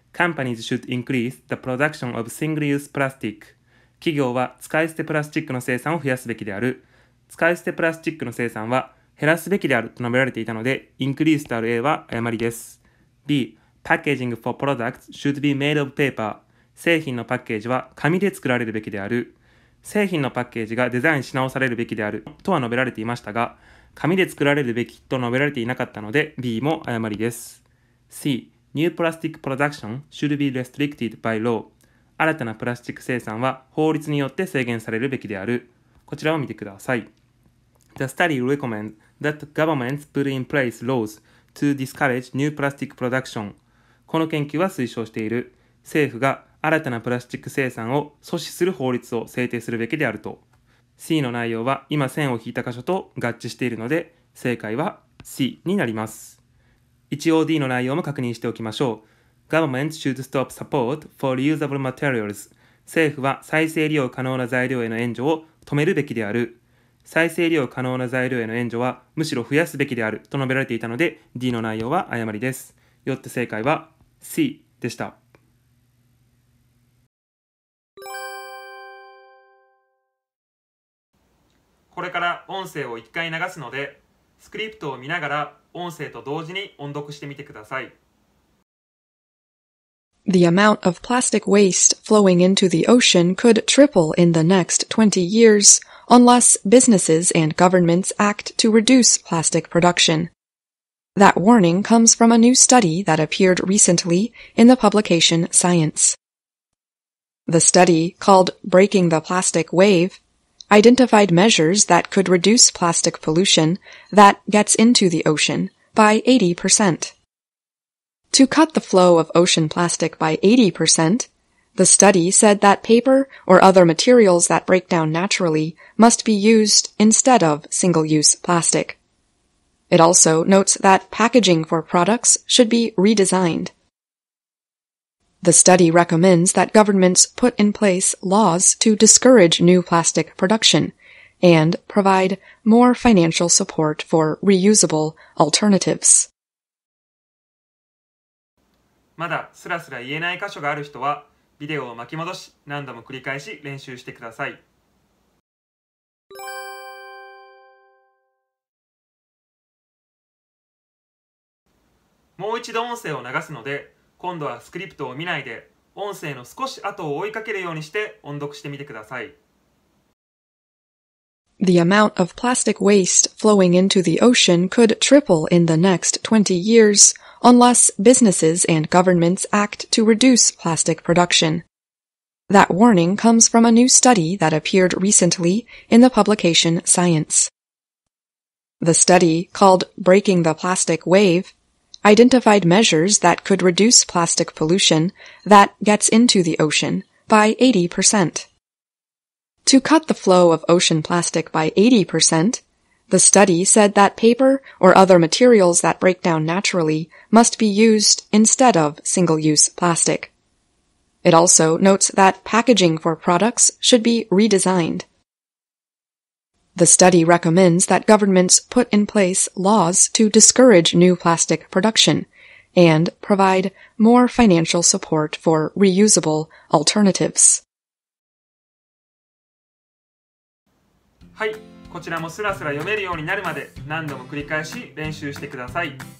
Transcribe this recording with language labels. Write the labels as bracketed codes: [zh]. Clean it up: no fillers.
[en] Companies should increase the production of single-use plastic. [ja] 企業は使い捨てプラスチックの生産を増やすべきである。使い捨てプラスチックの生産は減らすべきであると述べられていたので、increase とある A は誤りです。 [en] B. Packaging for products should be made of paper. [ja] 製品のパッケージは紙で作られるべきである。製品のパッケージがデザインし直されるべきであるとは述べられていましたが、紙で作られるべきと述べられていなかったので B も誤りです。 [en] C. New plastic production should be restricted by law. [ja] 新たなプラスチック生産は法律によって制限されるべきである。こちらを見てください。 [en] The study recommends that governments put in place laws to discourage new plastic production. [ja] この研究は推奨している。政府が新たなプラスチック生産を阻止する法律を制定するべきであると。 C の内容は今線を引いた箇所と合致しているので、正解は C になります。一応 D の内容も確認しておきましょう。 [en] Government should stop support for reusable materials. [ja] 政府は再生利用可能な材料への援助を止めるべきである。再生利用可能な材料への援助はむしろ増やすべきであると述べられていたので、D の内容は誤りです。よって正解は C でした。これから音声を1回流すので、スクリプトを見ながら音声と同時に音読してみてください。 [en] The amount of plastic waste flowing into the ocean could triple in the next 20 years unless businesses and governments act to reduce plastic production. That warning comes from a new study that appeared recently in the publication Science. The study, called Breaking the Plastic Wave, identified measures that could reduce plastic pollution that gets into the ocean by 80%. To cut the flow of ocean plastic by 80%, the study said that paper or other materials that break down naturally must be used instead of single-use plastic. It also notes that packaging for products should be redesigned. The study recommends that governments put in place laws to discourage new plastic production and provide more financial support for reusable alternatives. [ja] まだスラスラ言えない箇所がある人は、ビデオを巻き戻し、何度も繰り返し練習してください。もう一度音声を流すので、今度はスクリプトを見ないで、音声の少し後を追いかけるようにして音読してみてください。 [en] The amount of plastic waste flowing into the ocean could triple in the next 20 years unless businesses and governments act to reduce plastic production. That warning comes from a new study that appeared recently in the publication Science. The study, called Breaking the Plastic Wave, identified measures that could reduce plastic pollution that gets into the ocean by 80%. To cut the flow of ocean plastic by 80%, the study said that paper or other materials that break down naturally must be used instead of single-use plastic. It also notes that packaging for products should be redesigned. The study recommends that governments put in place laws to discourage new plastic production and provide more financial support for reusable alternatives. [ja] はい、こちらもスラスラ読めるようになるまで何度も繰り返し練習してください。